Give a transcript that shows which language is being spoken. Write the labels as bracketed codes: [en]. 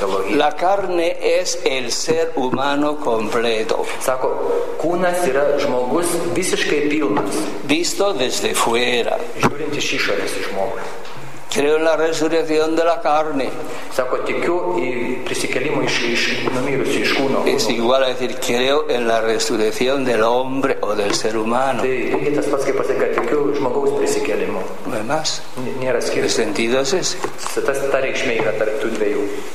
[es] La carne es el ser humano completo. [lt] Sako, kūnas yra žmogus visiškai pilnas. [es] Visto desde fuera. [lt] Žiūrint iš išorės į žmogų. [es] Creo en la resurrección de la carne. [lt] Sako, tikiu į prisikėlimą iš numirusių, iš kūno. [es] Es igual a decir, creo en la resurrección del hombre o del ser humano. [lt] Tai lygiai tas pats, kaip pasakyti, tikiu žmogaus prisikėlimu. [es] Además, [lt] nėra skirtumo. [es] El sentido es ese. [lt] Tas ta reikšmė yra tarp tų dviejų.